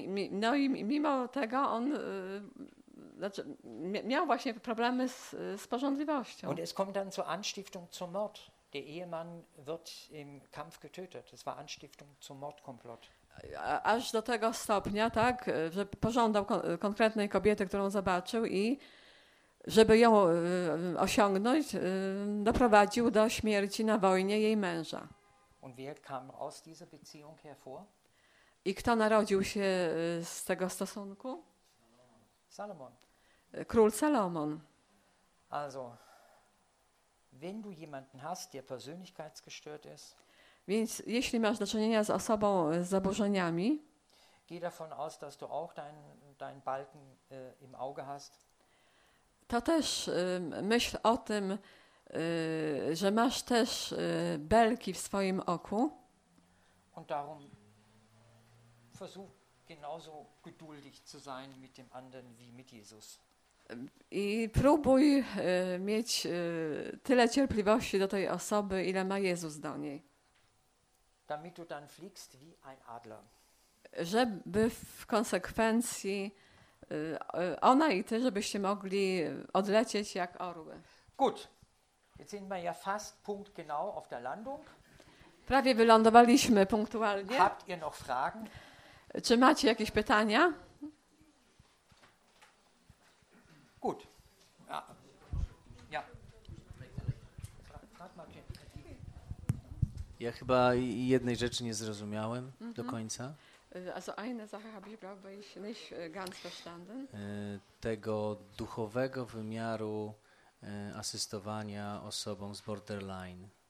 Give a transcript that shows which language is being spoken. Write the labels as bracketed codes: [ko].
[pl] No i mimo tego on znaczy, miał właśnie problemy z pożądliwością. [de] Und es kommt dann zur Anstiftung zum Mord. Der Ehemann wird im Kampf getötet. Das war Anstiftung zum Mordkomplott. [pl] Aż do tego stopnia, tak, że pożądał konkretnej kobiety, którą zobaczył i żeby ją osiągnąć, doprowadził do śmierci na wojnie jej męża. [de] Und wer kam aus dieser Beziehung hervor? [pl] I kto narodził się z tego stosunku? Salomon. Król Salomon. [de] Also, wenn du jemanden hast, der persönlichkeitsgestört ist, [pl] więc jeśli masz do czynienia z osobą z zaburzeniami, [de] geh davon aus, dass du auch dein Balken im Auge hast. [pl] To też myśl o tym, że masz też belki w swoim oku. [de] Und darum versuch genauso geduldig zu sein mit dem anderen wie mit Jesus. [pl] I próbuj mieć tyle cierpliwości do tej osoby, ile ma Jezus do niej. [de] Damit du dann fliegst wie ein Adler. [pl] Żeby w konsekwencji ona i ty, żebyście mogli odlecieć jak orły. [de] Gut. Jetzt sind wir ja fast punktgenau auf der Landung. [pl] Prawie wylądowaliśmy punktualnie. [de] Habt ihr noch Fragen? [pl] Czy macie jakieś pytania? [de] Gut. Ja. [pl] Ja chyba jednej rzeczy nie zrozumiałem do końca. [de] Also eine Sache habe ich glaube ich nicht ganz verstanden. [pl] Tego duchowego wymiaru asystowania osobom z borderline.